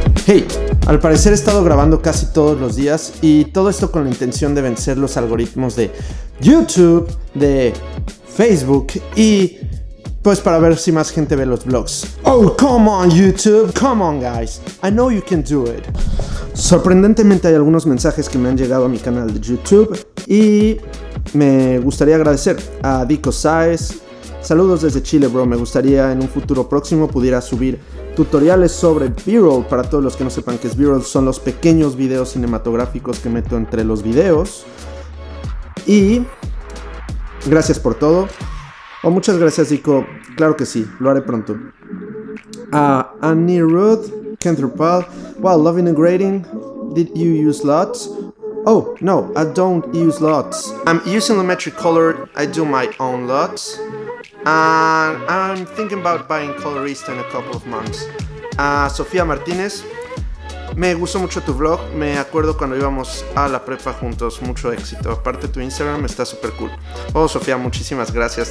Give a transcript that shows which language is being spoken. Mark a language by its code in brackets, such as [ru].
[es] Hey, al parecer he estado grabando casi todos los días y todo esto con la intención de vencer los algoritmos de YouTube, de Facebook y pues para ver si más gente ve los vlogs. [en] Oh, come on YouTube, come on guys, I know you can do it. [es] Sorprendentemente hay algunos mensajes que me han llegado a mi canal de YouTube y me gustaría agradecer a Dico Saez. Saludos desde Chile, bro. Me gustaría en un futuro próximo pudiera subir tutoriales sobre B-roll. Para todos los que no sepan qué es B-roll, son los pequeños videos cinematográficos que meto entre los videos. Y gracias por todo. O muchas gracias, Dico. Claro que sí, lo haré pronto. A Annie Ruth, Kentrupal. [en] Well, loving and grading. Did you use LUTs? Oh, no, I don't use LUTs. I'm using Lumetri Color. I do my own LUTs. And I'm thinking about buying Colorista in a couple of months. [es] Sofía Martínez. Me gustó mucho tu vlog. Me acuerdo cuando íbamos a la prepa juntos. Mucho éxito. Aparte, tu Instagram está súper cool. Oh, Sofía, muchísimas gracias.